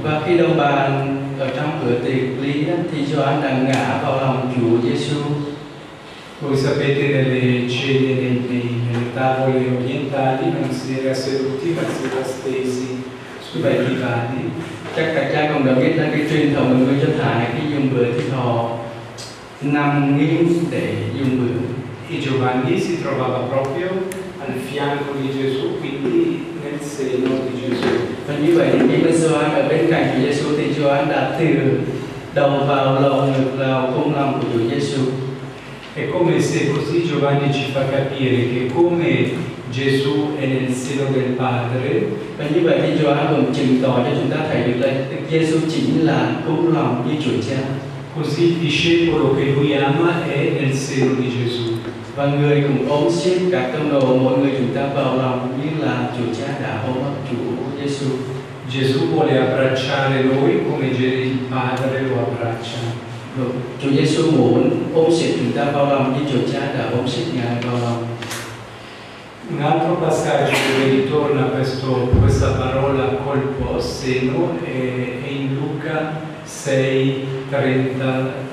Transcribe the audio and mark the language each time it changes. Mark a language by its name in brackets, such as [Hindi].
[Vietnamese] Và khi đồng bàn ở trong cửa tiệc lì thì Gioan đã ngã vào lòng Chúa Giêsu. [Italian] Voi sapete nelle cene, nelle tavole orientali, non si era seduti ma si era stesi. [Vietnamese] Vậy thì bà thì chắc cả cha cũng đã biết là cái truyền thống của người Do Thái khi dùng bữa thì họ nằm nghiêng để dùng bữa. [Italian] E Giovanni si trovava proprio al fianco di Gesù, quindi nel seno di Gesù. [Vietnamese] Và như vậy thì khi Gioan ở bên cạnh Chúa Giêsu thì Gioan đã từ đầu vào lòng ngực vào khung lòng của Chúa Giêsu. [Italian] È come se così Giovanni ci fa capire che come Gesù è nel seno del Padre. [Vietnamese] Và như vậy thì Gioan cũng chứng tỏ cho chúng ta thấy được là Giêsu chính là cung lòng như Chúa Cha. [Italian] Così il discepolo che lui ama è nel seno di Gesù. [Vietnamese] Và người cũng ôm xiếp các tông đồ mỗi người chúng ta vào lòng như là Chúa Cha đã ôm ấp Chúa Giêsu. [Italian] Gesù vuole abbracciare noi come Gesù il Padre lo abbraccia. [Vietnamese] Chúa Giêsu muốn ôm xiếp chúng ta vào lòng như Chúa Cha đã ôm xiếp Ngài vào lòng. [Italian] Un altro passaggio dove ritorna questa parola colpo seno è in Luca 6:38.